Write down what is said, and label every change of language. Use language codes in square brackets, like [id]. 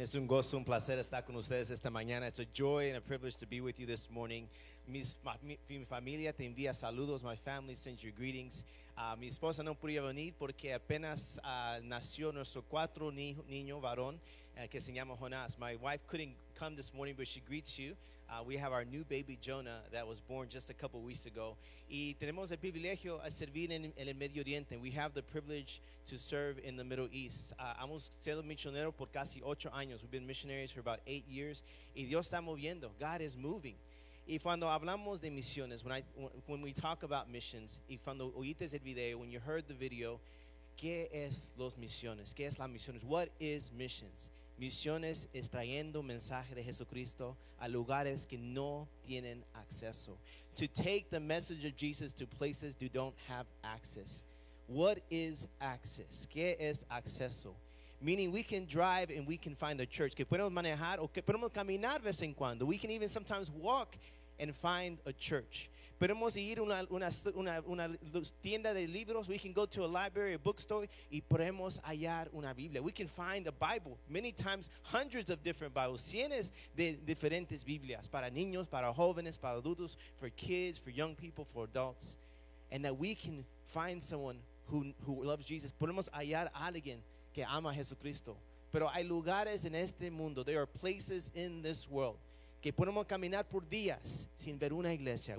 [es] Es un gozo, un placer estar con ustedes esta mañana. [en] It's a joy and a privilege to be with you this morning. [es] Mi familia te envía saludos. [en] My family sends you greetings. [es] Mi esposa no podía venir porque apenas nació nuestro cuatro niño varón. que se llama Jonas. [en] My wife couldn't come this morning, but she greets you. We have our new baby Jonah that was born just a couple weeks ago. [es] Y tenemos el privilegio a servir en el Medio Oriente. [en] We have the privilege to serve in the Middle East. [es] Hemos sido misionero por casi 8 años. [en] We've been missionaries for about 8 years. [es] Y Dios está moviendo. [en] God is moving. [es] Y cuando hablamos de misiones, [en] when we talk about missions, [es] y cuando oíste el video, [en] when you heard the video, [es] ¿qué es los misiones? ¿Qué es las misiones? [en] What is missions? [es] Misiones es trayendo mensaje de Jesucristo a lugares que no tienen acceso. [en] To take the message of Jesus to places you don't have access. What is access? [es] ¿Qué es acceso? [en] Meaning we can drive and we can find a church. [es] Que podemos manejar o que podemos caminar vez en cuando. [en] We can even sometimes walk and find a church. [es] Podemos ir a una tienda de libros. [en] We can go to a library, a bookstore, [es] y podemos hallar una Biblia. [en] We can find a Bible. Many times, hundreds of different Bibles. [es] Cientos de diferentes Biblias. Para niños, para jóvenes, para adultos, [en] for kids, for young people, for adults. And that we can find someone who loves Jesus. [es] Podemos hallar a alguien que ama a Jesucristo. Pero hay lugares en este mundo. [en] There are places in this world. [es] Que podemos caminar por días sin ver una iglesia.